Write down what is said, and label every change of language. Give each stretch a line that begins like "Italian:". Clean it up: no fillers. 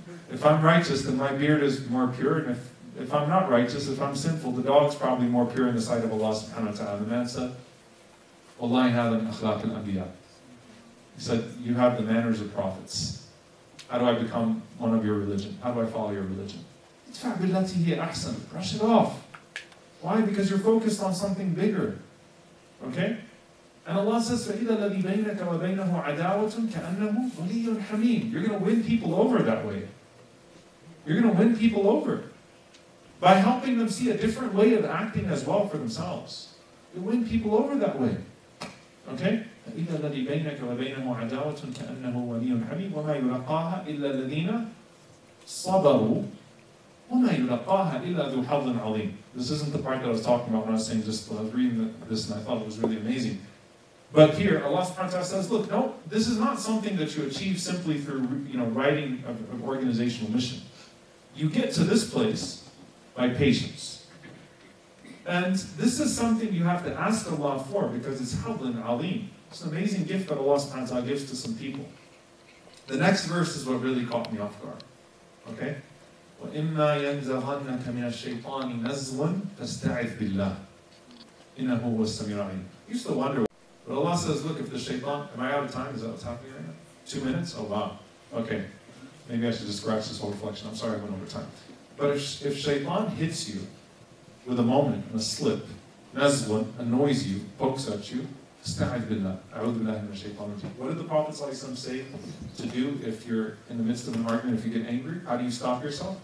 English: If I'm righteous, then my beard is more pure. And if I'm not righteous, if I'm sinful, the dog's probably more pure in the sight of Allah subhanahu wa ta'ala. The man said, wallahi hadha min akhlaq al-anbiya. He said, you have the manners of prophets. How do I become one of your religion? How do I follow your religion?
Arabic: اِدْفَعْ بِاللَّتِي هِيَ أَحْسَنُ.
English: Brush it off. Why? Because you're focused on something bigger. Okay? And Allah says,
Arabic: فَإِذَا الَّذِي بَيْنَكَ وَبَيْنَهُ عَدَاوَةٌ كَأَنَّهُ وَلِيٌّ حَمِيمٌ.
English: You're going to win people over that way. You're going to win people over by helping them see a different way of acting as well for themselves. You win people over that way.
Arabic: Okay? إِذَا الَّذِي بَيْنَكَ وَبَيْنَهُ عَدَاوَةٌ كَأَنَّهُ وَلِيٌّ حَمِيمٌ وَمَا يُلَقَّاهَا إِلَّا الَّذِينَ صَبَرُوا وَمَا يُلَقَّاهَا إِلَّا ذُو حَظٍ عَظِيمٍ.
English: This isn't the part that I was talking about when I was saying this, but I was reading this and I thought it was really amazing. But here, Allah subhanahu wa ta'ala says, look, no, this is not something that you achieve simply through, you know, writing an organizational mission. You get to this place by patience. And this is something you have to ask Allah for, because it's حَظٍ عَظِيمٌ. It's an amazing gift that Allah subhanahu wa ta'ala gives to some people. The next verse is what really caught me off guard. Okay?
Arabic: وَإِمَّا يَنْزَغَنَّكَ مِنَ الشَّيْطَانِ نَزْغٌ فَاسْتَعِذْ بِاللَّهِ إِنَّهُ هُوَ السَّمِيعُ الْعَلِيمُ.
English: You still wonder. But Allah says, look, if the shaitan... Am I out of time? Is that what's happening right now? 2 minutes? Oh, wow. Okay. Maybe I should just scratch this whole reflection. I'm sorry I went over time. But if shaitan hits you with a moment and a slip, نَزْغٌ annoys you, pokes at you, what did the Prophet ﷺ say to do if you're in the midst of an argument, if you get angry? How do you stop yourself?